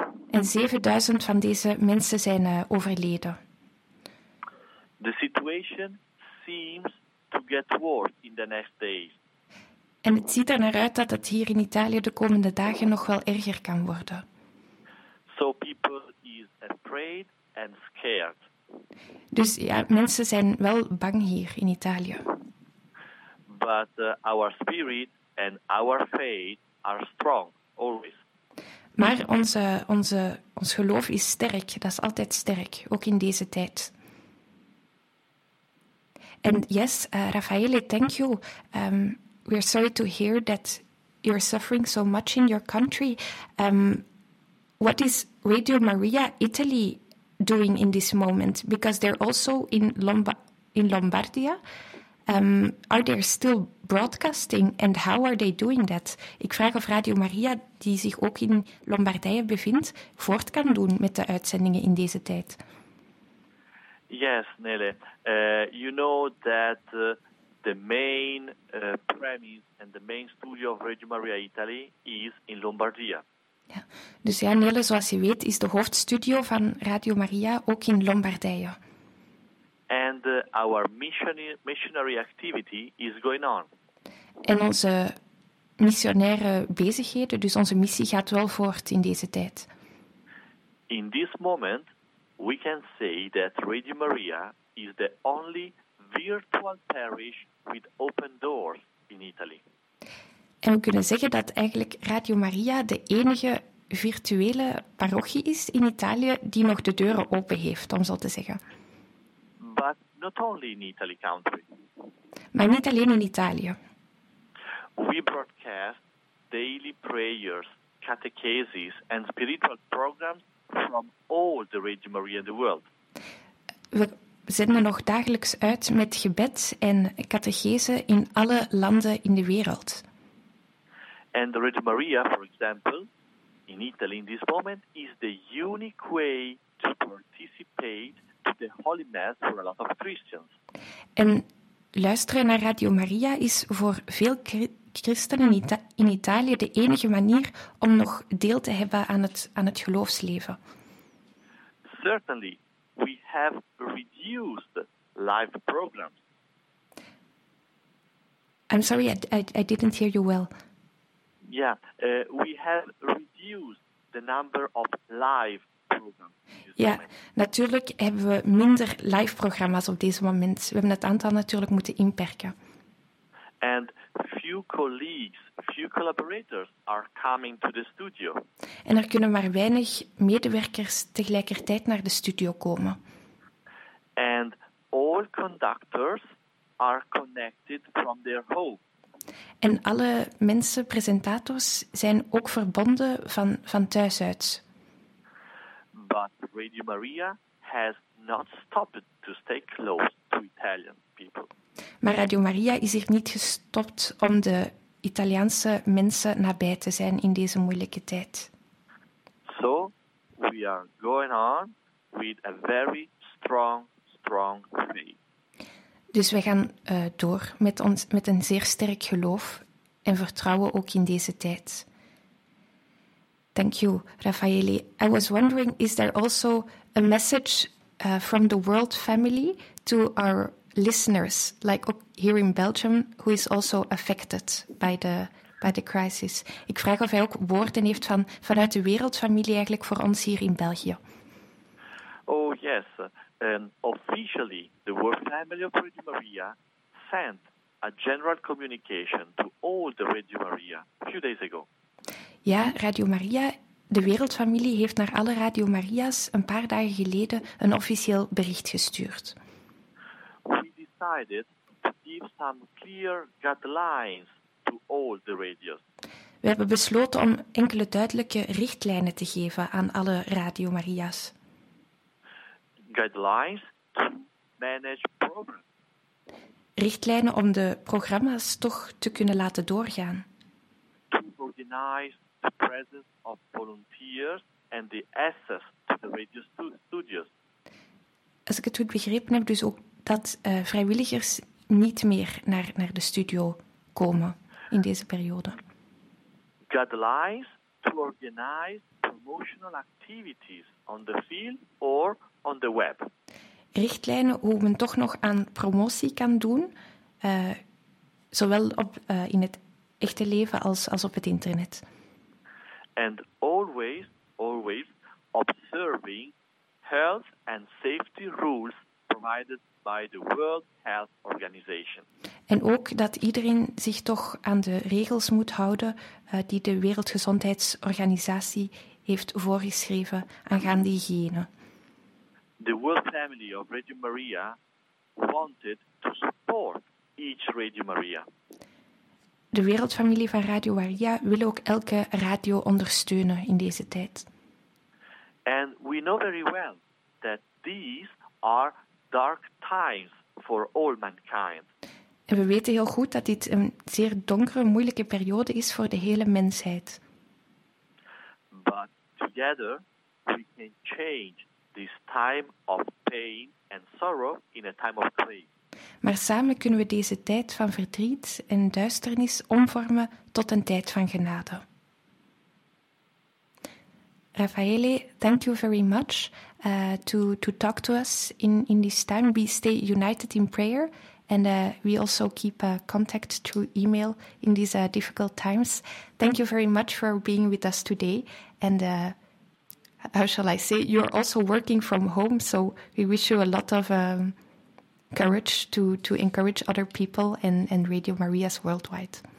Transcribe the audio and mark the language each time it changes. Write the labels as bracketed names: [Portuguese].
[Dutch] En 7.000 van deze mensen zijn overleden. [English] The situation seems to get worse in the next days. [Dutch] En het ziet er naar uit dat het hier in Italië de komende dagen nog wel erger kan worden. [English] So people is afraid and scared. [Dutch] Dus ja, mensen zijn wel bang hier in Italië. [English] But our spirit and our faith are strong always. [Dutch] Maar ons geloof is sterk. Dat is altijd sterk, ook in deze tijd. [English] And yes, Raffaele, thank you. We are sorry to hear that you're suffering so much in your country. What is Radio Maria Italy doing in this moment? Because they're also in Lombardia. Are they still broadcasting and how are they doing that? [Dutch] Ik vraag of Radio Maria, die zich ook in Lombardije bevindt, voort kan doen met de uitzendingen in deze tijd. [English] Yes, Nele. You know that the main premise and the main studio of Radio Maria Italy is in Lombardia. [Dutch] Ja. Dus ja, Nele, zoals je weet, is de hoofdstudio van Radio Maria ook in Lombardije. [English] And our missionary activity is going on. [Dutch] En onze missionaire bezigheden, dus onze missie, gaat wel voort in deze tijd. [English] In this moment, we can say that Radio Maria is the only virtual parish with open doors in Italy. [Dutch] En we kunnen zeggen dat eigenlijk Radio Maria de enige virtuele parochie is in Italië die nog de deuren open heeft, om zo te zeggen. [English] But not only in Italy country. [Dutch] Maar niet alleen in Italië. [English] We broadcast daily prayers, catechesis and spiritual programs from all the Radio Maria in the world. [Dutch] We zenden nog dagelijks uit met gebed en catechese in alle landen in de wereld. [English] And Radio Maria, for example, in Italy in this moment, is the unique way to participate to the Holy Mass for a lot of Christians. [Dutch] En luisteren naar Radio Maria is voor veel christenen in Italië de enige manier om nog deel te hebben aan het geloofsleven. [English] Certainly, we have reduced live programs. I'm sorry, I didn't hear you well. Yeah, we have reduced the number of live programs. [Dutch] Ja, natuurlijk hebben we minder live programma's op deze moment. We hebben het aantal natuurlijk moeten inperken. [English] And few few colleagues, few collaborators are coming to the studio. [Dutch] En er kunnen maar weinig medewerkers tegelijkertijd naar de studio komen. [English] And all conductors are connected from their home. [Dutch] En alle mensen, presentators, zijn ook verbonden van thuis uit. [English] But Radio Maria has not stopped to stay close to Italian people. [Dutch] Maar Radio Maria is hier niet gestopt om de Italiaanse mensen nabij te zijn in deze moeilijke tijd. [English] So we are going on with a very strong, strong faith. [Dutch] Dus we gaan door met ons met een zeer sterk geloof en vertrouwen ook in deze tijd. [English] Thank you, Raffaele. I was wondering, is there also a message from the world family to our listeners, like here in Belgium, who is also affected by the crisis? [Dutch] Ik vraag of hij ook woorden heeft vanuit de wereldfamilie eigenlijk voor ons hier in België. [English] Oh, yes. Officially, the World Family of Radio Maria sent a general communication to all the Radio Maria a few days ago. [Dutch] Ja, Radio Maria, de wereldfamilie, heeft naar alle Radio Maria's een paar dagen geleden een officieel bericht gestuurd. [English] We decided to give some clear guidelines to all the radios. [Dutch] We hebben besloten om enkele duidelijke richtlijnen te geven aan alle Radio Maria's. [English] Guidelines to manage programs. [Dutch] Richtlijnen om de programma's toch te kunnen laten doorgaan. [English] To organize the presence of volunteers and the access to the radio studios. [Dutch] Als ik het goed begrepen heb, dus ook dat vrijwilligers niet meer naar de studio komen in deze periode. [English] Guidelines to organize promotional activities on the field or on the web. [Dutch] Richtlijnen hoe men toch nog aan promotie kan doen, zowel op, in het echte leven als op het internet. [English] And always, always observing health and safety rules provided by the World Health Organization. [Dutch] En ook dat iedereen zich toch aan de regels moet houden die de Wereldgezondheidsorganisatie heeft voorgeschreven aangaande hygiëne. [English] The World Family of Radio Maria wanted to support each Radio Maria. [Dutch] De wereldfamilie van Radio Maria wil ook elke radio ondersteunen in deze tijd. [English] And we know very well that these are dark times for all mankind. [Dutch] En we weten heel goed dat dit een zeer donkere, moeilijke periode is voor de hele mensheid. [English] But together we can change this time of pain and sorrow in a time of grace. [Dutch] Maar samen kunnen we deze tijd van verdriet en duisternis omvormen tot een tijd van genade. [English] Raffaele, thank you very much to talk to us in this time. We stay united in prayer and we also keep contact through email in these difficult times. Thank you very much for being with us today and how shall I say, you're also working from home, so we wish you a lot of courage to encourage other people and Radio Maria's worldwide.